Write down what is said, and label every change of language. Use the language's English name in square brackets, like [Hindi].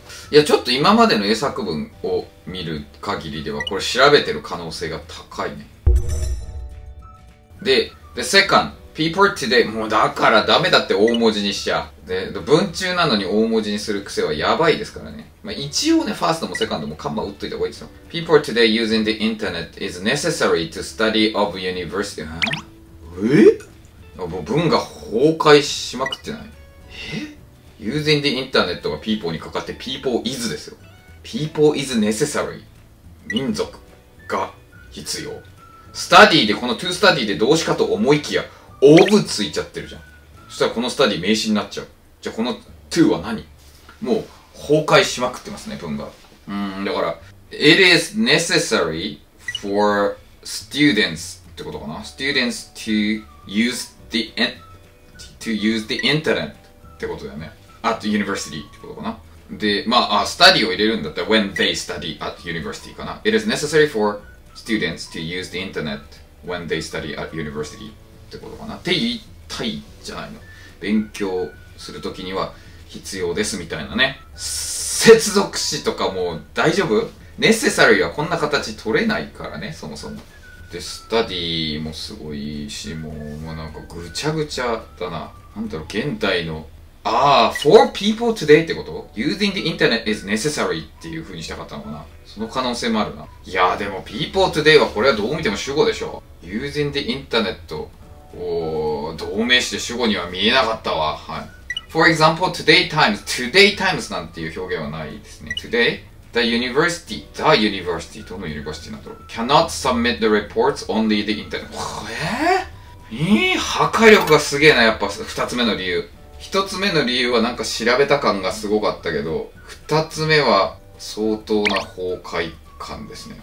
[Japanese] いや、ちょっと今までの英作文を見る限りでは、これ調べてる可能性が高いね。 [English] で、the second. People today, [Japanese] もうだからダメだって、大文字にしちゃ。で、文中なのに大文字にする癖はやばいですからね。まあ一応ね、ファーストもセカンドもカンマ打っといた方がいいですよ。 [English] People today using the internet is necessary to study of university. [Japanese] え? もう文が崩壊しまくってない。え ? [English] Using the internet [Japanese] は people にかかって [English] people is [Japanese] ですよ。 [English] People is necessary. [Japanese] 民族が必要。 study で、この to study で動詞かと思いきや、オブついちゃってるじゃん。そしたらこのスタディ名詞になっちゃう。じゃあこの to は何?もう崩壊しまくってますね、文が。 [English] だから、It is necessary for students ってことかな。 students to use the, to use the internet [Japanese] ってことだよね。 [English] at university [Japanese] ってことかな。で、まあ、スタディを入れるんだったら [English] when they study at university [Japanese] かな。 [English] It is necessary for students to use the internet when they study at university. [Japanese] ってことかな。って言いたいじゃないの。勉強するときには必要ですみたいなね。接続詞とかもう大丈夫?ネセサリーはこんな形取れないからね、そもそも。で、スタディもすごいし、もうなんかぐちゃぐちゃだな。なんだろう、現代の。ああ、 [English] for people today [Japanese] ってこと ? [English] using the internet [Japanese] is necessary っていう風にしたかったのかな。その可能性もあるな。いやーでも [English] people today [Japanese] はこれはどう見ても主語でしょ。 [English] using the internet。 [Japanese] おー、同名詞で主語には見えなかったわ。はい。 [English] For example, today times, today times [Japanese] なんていう表現はないですね。 [English] today, the university, [Japanese] どのユニバーシティなんだろう。 [English] cannot submit the reports only the internet. [Japanese] えぇ?破壊力がすげえな、やっぱ二つ目の理由。一つ目の理由はなんか調べた感がすごかったけど、二つ目は相当な崩壊感ですね。